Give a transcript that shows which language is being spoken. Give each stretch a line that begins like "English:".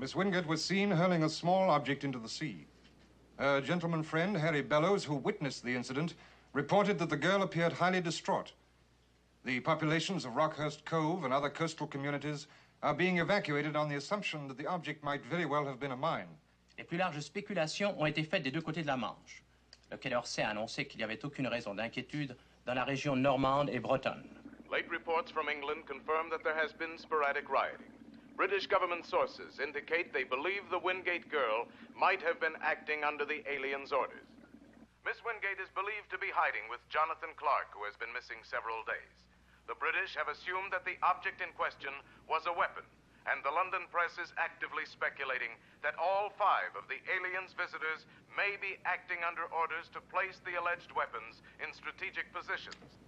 English: Miss Wingate was seen hurling a small object into the sea. A gentleman friend, Harry Bellows, who witnessed the incident, reported that the girl appeared highly distraught. The populations of Rockhurst Cove and other coastal communities are being evacuated on the assumption that the object might very well have been a mine.
French: Les plus larges spéculations ont été faites des deux côtés de la Manche. Le Quai d'Orsay a annoncé qu'il n'y avait aucune raison d'inquiétude dans la région normande et bretonne.
English: Late reports from England confirm that there has been sporadic rioting. British government sources indicate they believe the Wingate girl might have been acting under the alien's orders. Miss Wingate is believed to be hiding with Jonathan Clark, who has been missing several days. The British have assumed that the object in question was a weapon, and the London press is actively speculating that all five of the alien's visitors may be acting under orders to place the alleged weapons in strategic positions.